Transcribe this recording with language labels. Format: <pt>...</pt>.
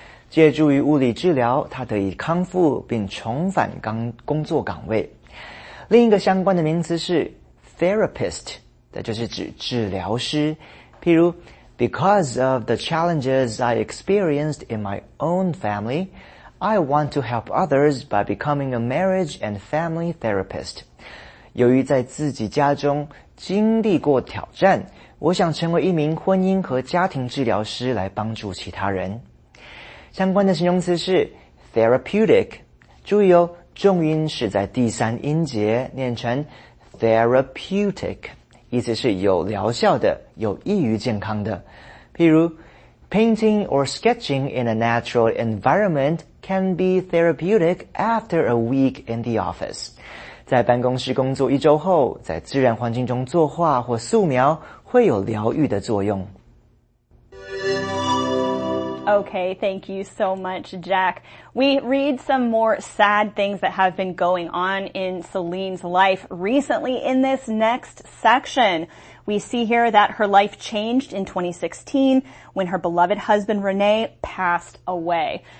<zh>借助于物理治疗，他得以康复并重返工作岗位。另一个相关的名词是 therapist, 这就是指治疗师。譬如</zh> <en>Because of the challenges I experienced in my own family, I want to help others by becoming a marriage and family therapist.</en> <zh>由于在自己家中经历过挑战，我想成为一名婚姻和家庭治疗师来帮助其他人。相关的形容词是 therapeutic， 注意哦，重音是在第三音节，念成 therapeutic， 意思是有疗效的，有益于健康的。譬如</zh> <en>painting or sketching in a natural environment can be therapeutic after a week in the office。</en> <zh>在办公室工作一周后，在自然环境中作画或素描会有疗愈的作用。</zh> <en>Okay, thank you so much, Jack. We read some more sad things that have been going on in Celine's life recently in this next section. We see here that her life changed in 2016 when her beloved husband, Rene, passed away.</en>